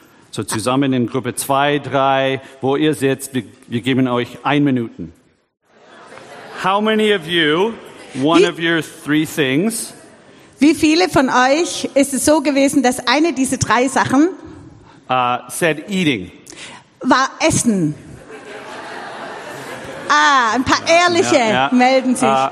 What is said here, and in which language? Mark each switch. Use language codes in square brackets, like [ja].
[de] So zusammen in Gruppe 2, 3, wo ihr sitzt, wir geben euch 1 Minute. [en] How many of you, one of your 3 things? [de] Wie viele von euch ist es so gewesen, dass eine dieser 3 Sachen [en] said eating. [de] War Essen. ein paar Ehrliche melden sich.